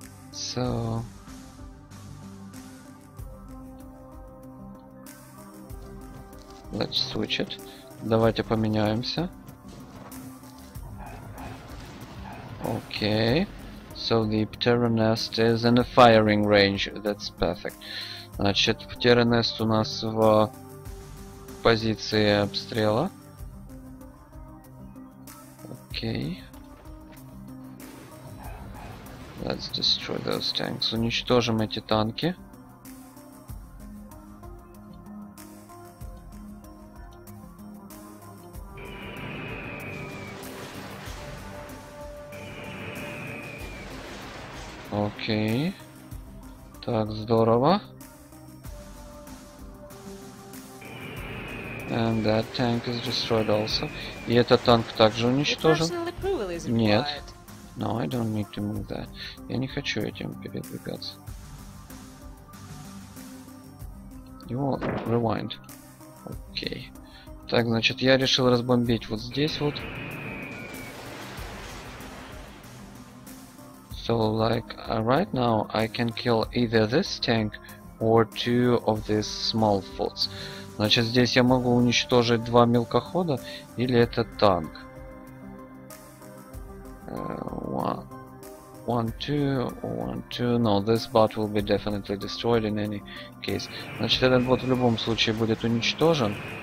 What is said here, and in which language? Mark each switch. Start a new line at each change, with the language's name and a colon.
English: So, let's switch it.
Russian: Давайте поменяемся.
English: Okay. So the Pteranest is in a firing range. That's perfect.
Russian: Значит, Pteranest у нас в позиции обстрела.
English: Okay. Let's destroy those tanks.
Russian: Уничтожим эти танки. Окей. Так, здорово.
English: And that tank is destroyed also.
Russian: И этот танк также уничтожен. Нет.
English: No, I don't need to move that.
Russian: Я не хочу этим передвигаться.
English: You will rewind. Окей.
Russian: Так, значит, я решил разбомбить вот здесь вот.
English: So, like, right now I can kill either this tank or two of these small forts.
Russian: Значит, здесь я могу уничтожить два мелкохода или этот танк.
English: One, two, no, this bot will be definitely destroyed in any case.
Russian: Значит, этот бот в любом случае будет уничтожен.